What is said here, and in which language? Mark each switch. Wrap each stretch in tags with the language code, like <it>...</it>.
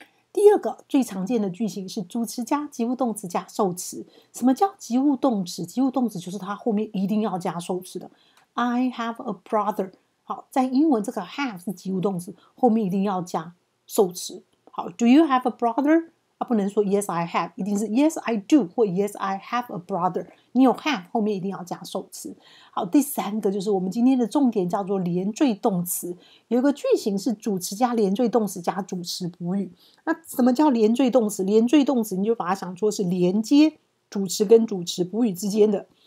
<zh>第二个最常见的句型是主词加及物动词加受词。什么叫及物动词？及物动词就是它后面一定要加受词的。</zh> <en>I have a brother，</en> <zh>好，在英文这个 have 是及物动词，后面一定要加受词。</zh> <en>好， Do you have a brother？</en> <zh>啊，不能说</zh> <en>Yes I have，</en> <zh>一定是</zh> <en>Yes I do</en> <zh>或</zh> <en>Yes I have a brother。</en> <zh>你有 have 后面一定要加受词。好，第三个就是我们今天的重点，叫做连缀动词。有一个句型是主词加连缀动词加主词补语。那什么叫连缀动词？连缀动词你就把它想说是连接主词跟主词补语之间的。</zh>